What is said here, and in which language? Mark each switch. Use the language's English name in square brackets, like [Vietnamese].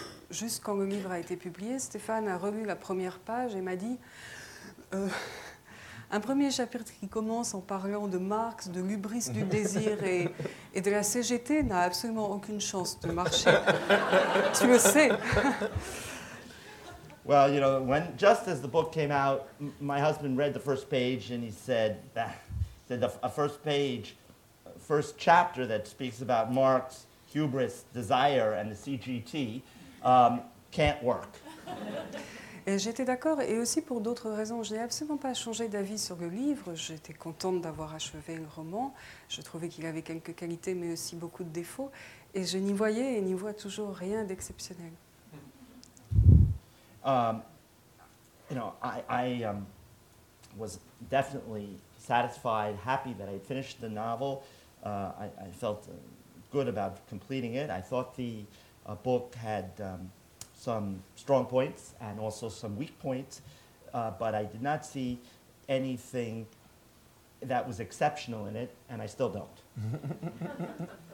[French] Juste quand le livre a été publié, Stéphane a relu la première page et m'a dit, un premier chapitre qui commence en parlant de Marx, de l'hubris du désir et de la CGT n'a absolument aucune chance de marcher. Tu le sais. [English] Well, you know, when just as the book came out, my husband read the first page and he said, first chapter that speaks about Marx, hubris, desire and the CGT can't work. [French] Et j'étais d'accord, et aussi pour d'autres raisons. Je n'ai absolument pas changé d'avis sur le livre. J'étais contente d'avoir achevé le roman. Je trouvais qu'il avait quelques qualités, mais aussi beaucoup de défauts. Et je n'y voyais et n'y vois toujours rien d'exceptionnel. [English] I was definitely satisfied, happy that I had finished the novel. I felt good about completing it. I thought the book had some strong points and also some weak points, but I did not see anything that was exceptional in it, and I still don't.